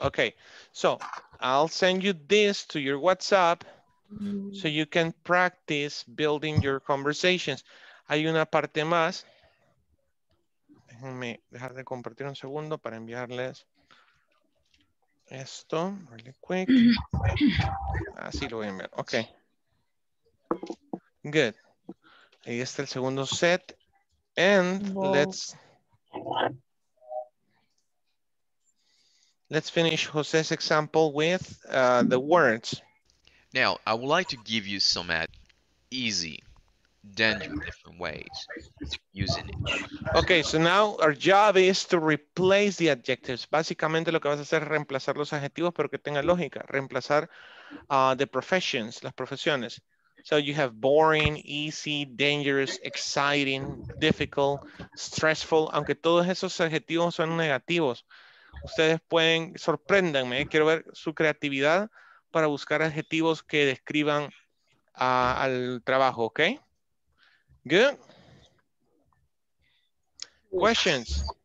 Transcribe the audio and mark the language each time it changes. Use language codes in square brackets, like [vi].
[en] Okay, so I'll send you this to your WhatsApp so you can practice building your conversations. [es] Hay una parte más. Déjenme dejar de compartir un segundo para enviarles esto. [en] Really quick. [es] Así lo voy a enviar. [en] Okay. Good. [es] Ahí está el segundo set. [en] And whoa, let's finish Jose's example with the words. Now, I would like to give you some easy, dangerous different ways using it. Okay, so now our job is to replace the adjectives. [es] Básicamente lo que vas a hacer es reemplazar los adjetivos, pero que tenga lógica. Reemplazar [en] the professions, [es] las profesiones. [en] So you have boring, easy, dangerous, exciting, difficult, stressful. [es] Aunque todos esos adjetivos son negativos. Ustedes pueden, sorpréndanme, quiero ver su creatividad para buscar adjetivos que describan al trabajo, ¿ok? [en] Good. Questions.